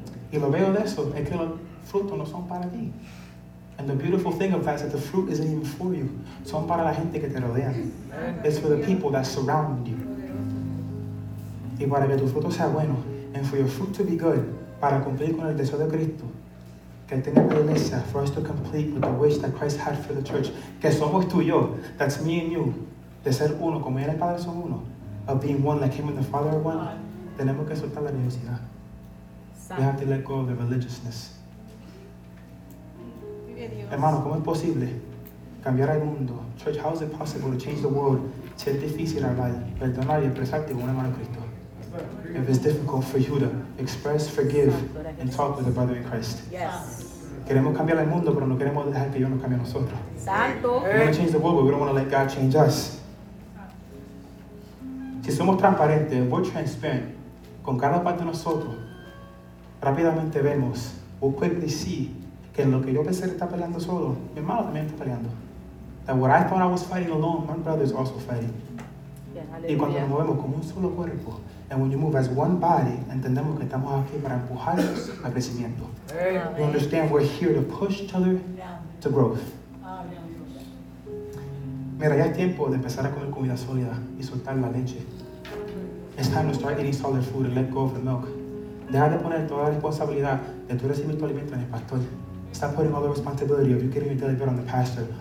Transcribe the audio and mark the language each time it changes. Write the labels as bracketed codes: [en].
[es] Y lo veo de eso, es que los frutos no son para ti. [en] And the beautiful thing of that is that the fruit isn't even for you. [es] Son para la gente que te rodea. [en] It's for the people that surround you. [es] Y para que tu fruto sea bueno, [en] and for your fruit to be good, [es] para cumplir con el deseo de Cristo, que tenga la iglesia, [en] for us to complete with the wish that Christ had for the church, [es] que somos tú y yo, [en] that's me and you, [es] de ser uno, como él y el Padre son uno, [en] of being one like him and the Father are one, [es] tenemos que soltar la religiosidad. [en] We have to let go of the religiousness. [es] Hermano, ¿cómo es posible cambiar el mundo? [en] Church, how is it possible to change the world? [es] Si es difícil hablar, perdonar y expresarte con un hermano Cristo. [en] If it's difficult for you to express, forgive, and talk with a brother in Christ. Yes. [es] Queremos cambiar el mundo, pero no queremos dejar que Dios nos cambie a nosotros. Santo. [en] We want to change the world, but we don't want to let God change us. [es] Si somos transparentes, [en] if we're transparent, [es] con cada parte de nosotros, rápidamente vemos, o [en] quickly see, [es] que en lo que yo pensé que está peleando solo, mi hermano también está peleando. [en] That what I thought I was fighting alone, my brother is also fighting. Yeah, [es] y cuando nos movemos como un solo cuerpo, [en] and when you move as one body, [es] entendemos que estamos aquí para empujar al crecimiento. [en] Amen. You understand we're here to push each other to growth. Amen. [es] Mira, ya es tiempo de empezar a comer comida sólida y soltar la leche. [en] It's time to start eating solid food and let go of the milk. [es] Deja de poner toda la responsabilidad de tu recibir tu alimento en el pastor. [en] Stop putting all the responsibility of you getting your delivery on the pastor.